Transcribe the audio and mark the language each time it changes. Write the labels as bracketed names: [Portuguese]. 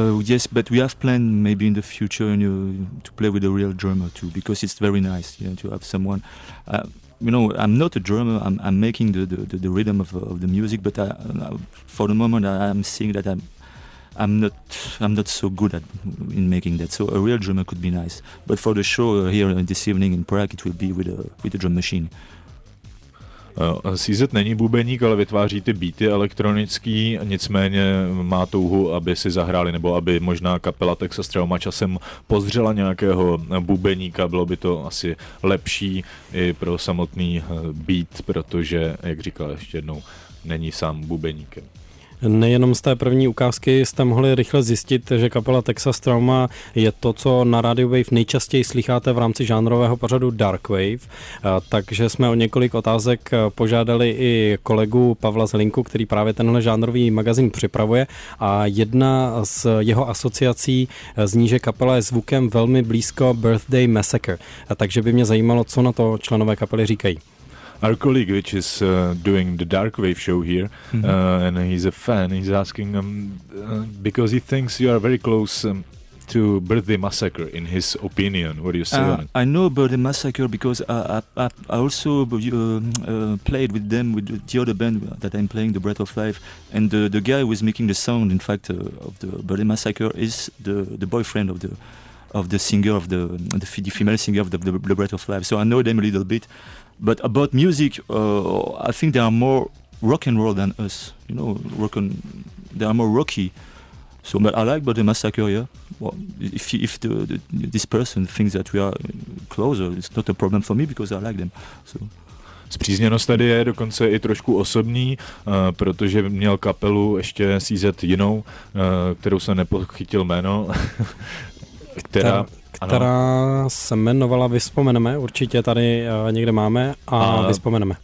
[English] Yes, but we have planned maybe in the future to play with a real drummer too, because it's very nice to have someone. I'm not a drummer. I'm making the rhythm of the music, but for the moment I'm seeing that I'm not so good at in making that. So a real drummer could be nice. But for the show here this evening in Prague, it will be with a drum machine. [Czech] CZ není bubeník, ale vytváří ty beaty elektronický, nicméně má touhu, aby si zahráli, nebo aby možná kapela Texas Trauma časem pozřela nějakého bubeníka, bylo by to asi lepší i pro samotný beat, protože, jak říkal ještě jednou, není sám bubeníkem. Nejenom z té první ukázky jste mohli rychle zjistit, že kapela Texas Trauma je to, co na Radio Wave nejčastěji slycháte v rámci žánrového pořadu Dark Wave, takže jsme o několik otázek požádali i kolegu Pavla Zlinku, který právě tenhle žánrový magazín připravuje, a jedna z jeho asociací zní, že kapela je zvukem velmi blízko Birthday Massacre, takže by mě zajímalo, co na to členové kapely říkají. [English] Our colleague, which is doing the Dark Wave show here, and he's a fan, he's asking because he thinks you are very close to Brdy Massacre in his opinion? What do you say on it? I know Brdy Massacre because I also played with them, with the other band that I'm playing, The Breath of Life, and the guy who was making the sound, in fact, of the Brdy Massacre is the boyfriend of the singer, of the female singer of the Breath of Life. So I know them a little bit. But about music, I think they are more rock and roll than us. You know, they are more rocky. So, but I like Brdy Massacre, yeah. Well, if this person thinks that we are closer, it's not a problem for me because I like them. So. [Czech] Spřízněnost tady je dokonce i trošku osobní, protože měl kapelu ještě CZ jinou, kterou jsem nepochytil jméno. Která se jmenovala Vyspomeneme, určitě tady někde máme a Vyspomeneme.